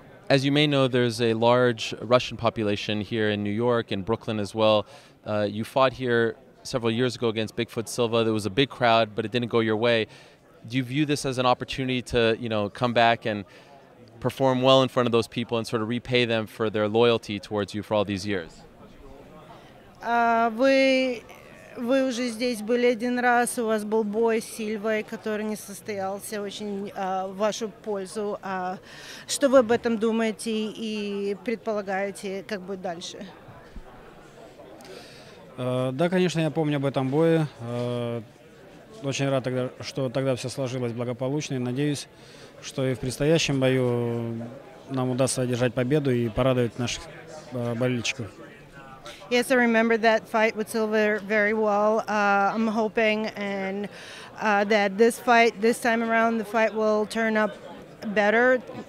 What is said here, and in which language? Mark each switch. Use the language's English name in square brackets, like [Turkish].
[English] As you may know, there's a large Russian population here in New York and Brooklyn as well. You fought here several years ago against Bigfoot Silva. There was a big crowd, but it didn't go your way. Do you view this as an opportunity to, you know, come back and perform well in front of those people and sort of repay them for their loyalty towards you for all these years? [Russian] Вы уже здесь были один раз, у вас был бой с Сильвой, который не состоялся очень в вашу пользу. Что вы об этом думаете и предполагаете, как будет дальше? Да, конечно, я помню об этом бое. Очень рад, тогда, что тогда все сложилось благополучно. И надеюсь, что и в предстоящем бою нам удастся одержать победу и порадовать наших болельщиков. [English] Yes, I remember that fight with Silver very well. I'm hoping and that this fight, this time around, the fight will turn up better.